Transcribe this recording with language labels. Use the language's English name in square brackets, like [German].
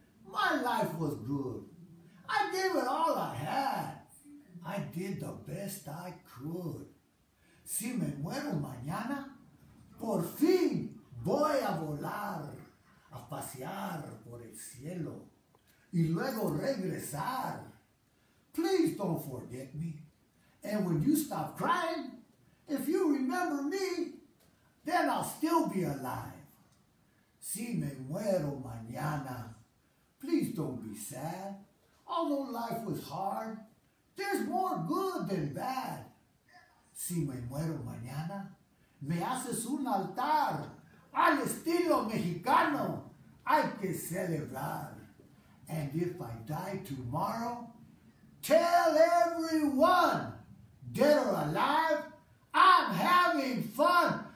[English] My life was good. I gave it all I had. I did the best I could. [Spanish] Si me muero mañana, por fin voy a volar, a pasear por el cielo, y luego regresar. [English] Please don't forget me. And when you stop crying, if you remember me, then I'll still be alive. [Spanish] Si me muero mañana, [English] please don't be sad. Although life was hard, there's more good than bad. [Spanish] Si me muero mañana, me haces un altar al estilo mexicano. Hay que celebrar. [English] And if I die tomorrow, tell everyone, dead or alive, I'm having fun.